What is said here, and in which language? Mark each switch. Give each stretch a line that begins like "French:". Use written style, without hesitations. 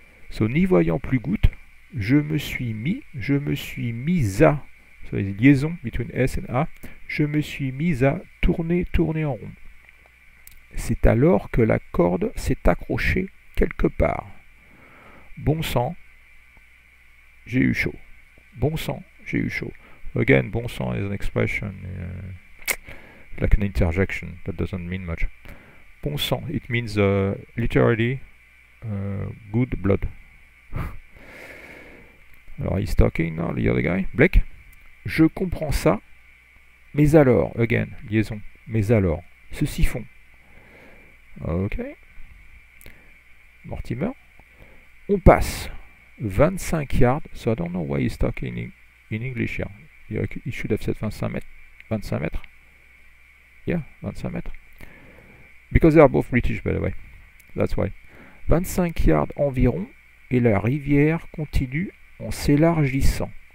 French: So, n'y voyant plus goutte, je me suis mis à.
English: So, it's a liaison between S and A.
French: Je me suis mis à tourner en rond. C'est alors que la corde s'est accrochée quelque part. Bon sang, j'ai eu chaud. Bon sang, j'ai eu chaud.
English: Again, bon sang is an expression, like an interjection, that doesn't mean much. Bon sang, it means literally good blood. Alors, he's talking now, the other guy, Blake.
French: Je comprends ça, mais alors,
English: again, liaison,
French: mais alors, ce siphon. Ok. Mortimer. On passe 25 yards,
English: so I don't know why he's talking in English here. He should have said 25 mètres. Yeah, 25 mètres. Because they are both British, by the way. That's why.
French: 25 yards environ, et la rivière continue en s'élargissant.